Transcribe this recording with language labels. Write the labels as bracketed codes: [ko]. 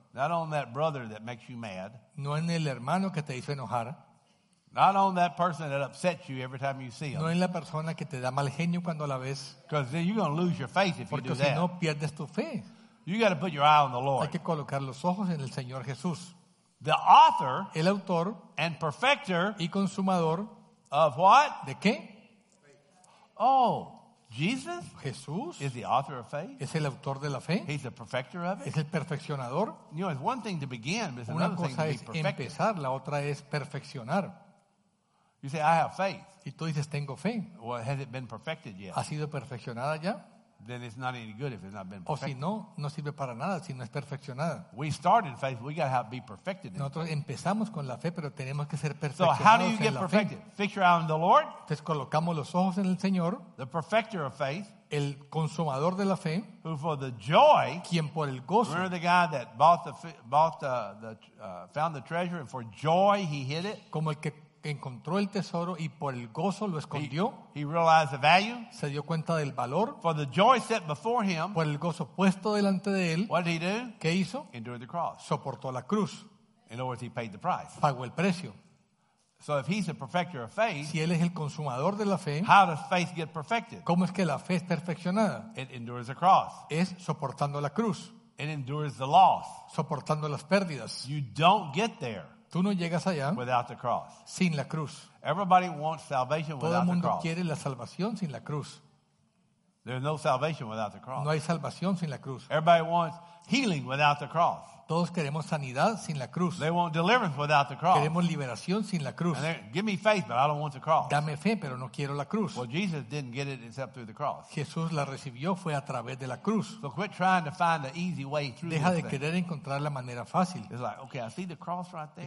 [en] Not on that brother that makes you mad. [es] No en el hermano que te hizo enojar. [en] Not on that person that upsets you every time you see him. [es] No en la persona que te da mal genio cuando la ves. [en] Because then you're going to lose your faith if [es] Porque [en] you do that. [es] Porque si no pierdes tu fe. [en] You got to put your eye on the Lord. [es] Hay que colocar los ojos en el Señor Jesús. [en] The author, [es] el autor, [en] and perfecter, [es] y consumador, [en] of what? [es] De qué? [en] Oh, Jesus. [es] Jesús. [en] Is the author of faith? [es] Es el autor de la fe. [en] He's the perfecter of it. [es] Es el perfeccionador. [en] You know, it's one thing to begin, but it's [es] Una [en] another [es] cosa [en] thing [es] es [en] to be perfected. [es] Empezar, la otra es perfeccionar. [en] You say I have faith. [es] Y tú dices tengo fe. [en] Well, has it been perfected yet? [es] ¿Ha sido perfeccionada ya? [en] Then it's not any good if it's not been perfected. [es] O si no, no sirve para nada si no es perfeccionada. [en] We start in faith, we got to be perfected. [es] Nosotros empezamos con la fe, pero tenemos que ser [en] perfeccionados. So how do you get perfected? Fix your eye on the Lord. [es] Entonces colocamos los ojos en el Señor. [en] The perfecter of faith. [es] El consumador de la fe. [en] Who for the joy. [es] Quien por el gozo. [en] Remember the guy that found the treasure and for joy he hid it. [es] Como el que encontró el tesoro y por el gozo lo escondió. [en] He realized the value. [es] Se dio cuenta del valor. [en] For the joy set before him. [es] Por el gozo puesto delante de él. [en] What did he do? [es] ¿Qué hizo? [en] Endured the cross. [es] Soportó la cruz. [en] In other words, he paid the price. [es] Pagó el precio. [en] So if he's a perfecter of faith, [es] si él es el consumador de la fe, [en] how does faith get perfected? [es] ¿Cómo es que la fe es perfeccionada? [en] It endures the cross. [es] Es soportando la cruz. [en] It endures the loss. [es] Soportando las pérdidas. [en] You don't get there. [es] Tú no llegas allá [en] without the cross. [es] Sin la cruz. [en] Everybody wants salvation without [es] Todo el mundo [en] the cross. [es] Quiere la salvación sin la cruz. [en] There's no salvation without the cross. [es] No hay salvación sin la cruz. [en] Everybody wants healing without the cross. [es] Todos queremos sanidad sin la cruz. [en] They want deliverance without the cross. [es] Queremos liberación sin la cruz. [en] And give me faith, but I don't want the cross. [es] Dame fe, pero no quiero la cruz. [en] Well, Jesus didn't get it except through the cross. [es] Jesús la recibió fue a través de la cruz. [en] So quit trying to find the easy way through. [es] Deja de [en] thing. [es] Querer encontrar la manera fácil. [en] It's like, okay, I see the cross right there.